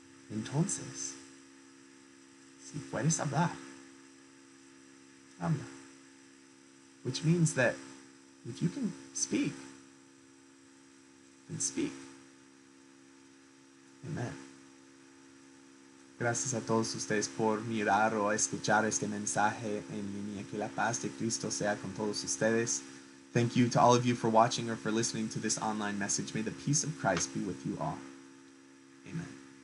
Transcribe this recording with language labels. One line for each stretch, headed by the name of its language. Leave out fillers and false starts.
Spanish: Entonces, si puedes hablar, habla.
English: Which means that if you can speak, then speak. Amen.
Spanish: Gracias a todos ustedes por mirar o escuchar este mensaje en línea. Que la paz de Cristo sea con todos ustedes.
English: Thank you to all of you for watching or for listening to this online message. May the peace of Christ be with you all. Amen.